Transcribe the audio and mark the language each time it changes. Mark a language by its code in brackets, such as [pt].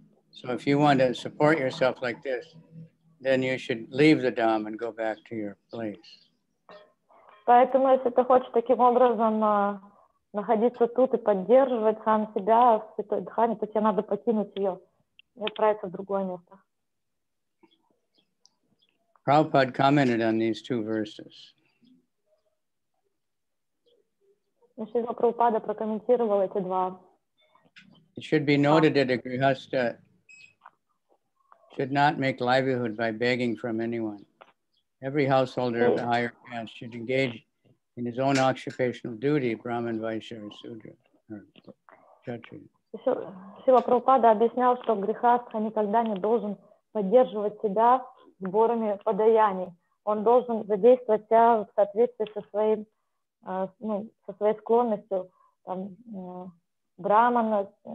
[en] So if you want to support yourself like this, then you should leave the Dham and go back to your place. [ru] Поэтому, если ты хочешь таким образом находиться тут и поддерживать сам себя в Святой Дхаме, то тебе надо покинуть ее и отправиться в другое место. [en] Prabhupada commented on these two verses. [ru] Шрила Прабхупада прокомментировал эти два. [en] It should be noted that a grihastha should not make livelihood by begging from anyone. Every householder of the higher caste should engage in his own occupational duty, Brahman, Vaishya, or Sudra, or Kshatriya. [ru] Шрила Прабхупада объяснял, что грихастха никогда не должен поддерживать себя сборами подаяний. Он должен задействовать себя в соответствии со своим, со своей склонностью, там, Брахмана,